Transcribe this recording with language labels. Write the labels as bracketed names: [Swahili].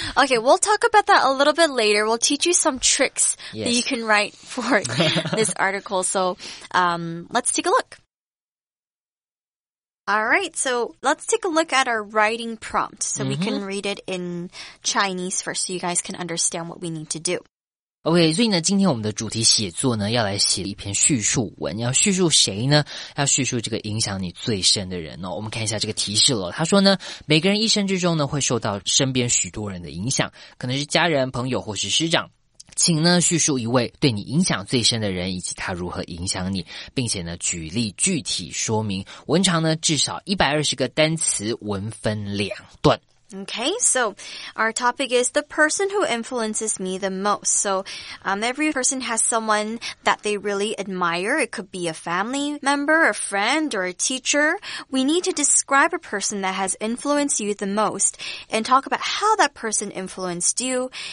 [English] Okay, we'll talk about that a little bit later. We'll teach you some tricks that you can write for this article. So, let's take a look. Alright, so let's take a look at our writing prompt so we can read it in Chinese first so you guys can understand what we need to do. [Chinese] Okay, 所以呢今天我们的主题写作呢要来写一篇叙述文，要叙述谁呢？要叙述这个影响你最深的人哦。我们看一下这个提示了，他说呢每个人一生之中呢会受到身边许多人的影响，可能是家人、朋友或是师长。请呢叙述一位对你影响最深的人以及他如何影响你，并且呢举例具体说明，文长呢至少120个单词，文分两段。 [English] Okay, so our topic is the person who influences me the most. So, every person has someone that they really admire. It could be a family member, a friend, or a teacher. We need to describe a person that has influenced you the most and talk about how that person influenced you.